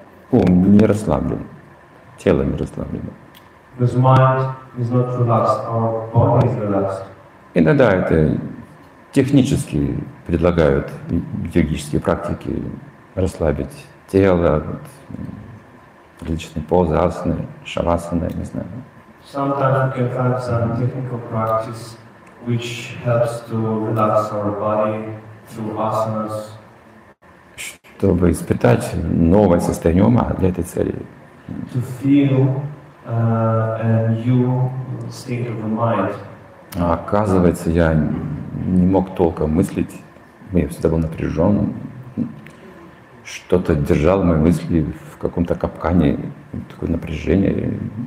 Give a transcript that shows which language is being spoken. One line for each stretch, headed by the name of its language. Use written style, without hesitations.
Russian: Ум не расслаблен, тело не расслаблено. Иногда это технически предлагают йогические практики расслабить тело, вот, различные позы, асаны, шавасаны, не знаю.
English: Sometimes we can find some technical practice which helps to relax our body through asanas.
Russian: Чтобы испытать новое состояние ума для этой цели.
English: To feel a new state of the mind.
Russian: А оказывается, я не мог толком мыслить. Я всегда был напряжен. Что-то держало мои мысли в каком-то капкане, такое напряжение.